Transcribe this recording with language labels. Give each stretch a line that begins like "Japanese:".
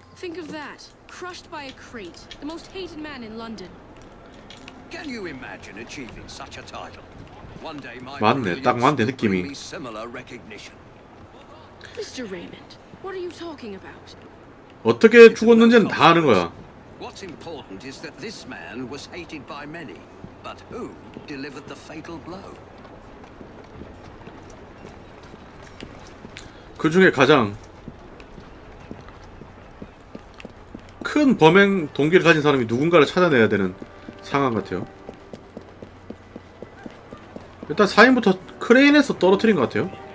English: Think of that. Crushed by a crate. The most hated man in London. Can you imagine achieving such a title?
Korean: 맞네, 딱 맞네 느낌이.
English: Mr. Raymond, what are you talking about?
Korean: 어떻게 죽었는지는 다 아는 거야.
English: What's important is that this man was hated by many, but who delivered the fatal blow?
Korean: 그 중에 가장 큰 범행 동기를 가진 사람이 누군가를 찾아내야 되는 상황 같아요. 일단 사인부터 크레인에서 떨어뜨린 것 같아요.